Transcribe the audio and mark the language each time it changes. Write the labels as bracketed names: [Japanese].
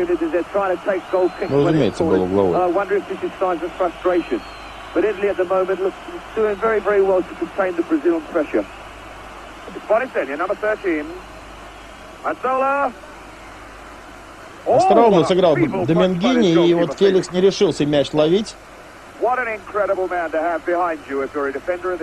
[Russian] Ну, разумеется, был угловой. [English] But Italy at the moment looks doing very, very well to contain the Brazil pressure. Bonicelli, number 13. Mazzola. [Russian] Остроумно сыграл Домингини, и вот Феликс не решился мяч ловить. [English] What an incredible man to have behind you if you're a defender.